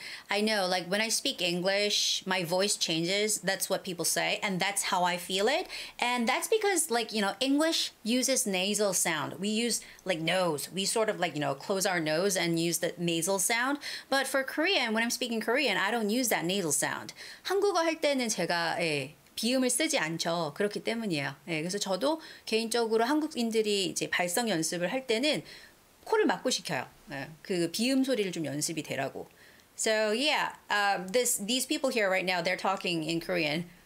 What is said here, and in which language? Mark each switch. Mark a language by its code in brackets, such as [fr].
[en] I know, like when I speak English, my voice changes. That's what people say. And that's how I feel it. And that's because, like, you know, English uses nasal sound. We use like nose. We sort of like, you know, close our nose and use the nasal sound. But for Korean, when I'm speaking Korean, I don't use that nasal sound. [ko] 한국어 할 때는 제가 예, 비음을 쓰지 않죠. 그렇기 때문이에요. 예, 그래서 저도 개인적으로 한국인들이 이제 발성 연습을 할 때는 코를 막고 시켜요. 예, 그 비음 소리를 좀 연습이 되라고. [en] So yeah, these people here right now, they're talking in Korean.